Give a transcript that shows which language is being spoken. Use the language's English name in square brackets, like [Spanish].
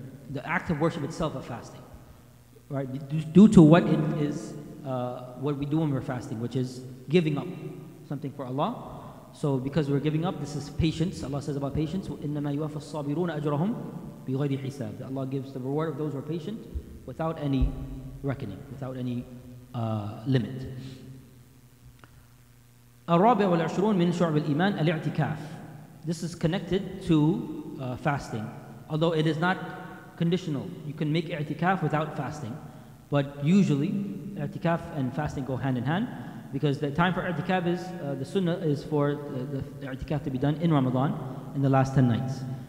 [English] The act of worship itself of fasting, right? Due to what it is, what we do when we're fasting, which is giving up something for Allah. So because we're giving up, this is patience. Allah says about patience, [Arabic] إِنَّمَا يُوَفَى الصَّابِرُونَ أَجْرَهُمْ بِغَيْرِ حِسَابٍ. [English] That Allah gives the reward of those who are patient without any reckoning, without any limit. [Arabic] الرابع والعشرون من شعب الإيمان الاعتكاف. [English] This is connected to fasting, although it is not conditional. You can make i'tikaf without fasting, but usually i'tikaf and fasting go hand in hand, because the time for i'tikaf is the sunnah is for the i'tikaf to be done in Ramadan in the last 10 nights.